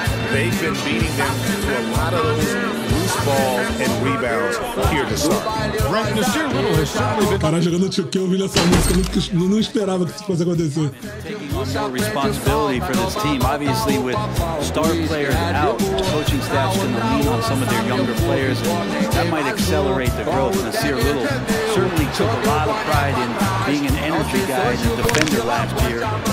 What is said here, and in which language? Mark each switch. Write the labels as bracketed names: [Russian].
[English] They've been beating them to a lot of those loose balls and rebounds here to start. Brent Nasir Little has certainly been... [Portuguese] Parar jogando 2K, eu ouvi essa música, não esperava que isso fosse acontecer. [English] Taking on more responsibility for this team, obviously with star players out, coaching staffs can lean on some of their younger players, and that might accelerate their growth. Nasir Little certainly took a lot of pride in being an energy guy and a defender last year.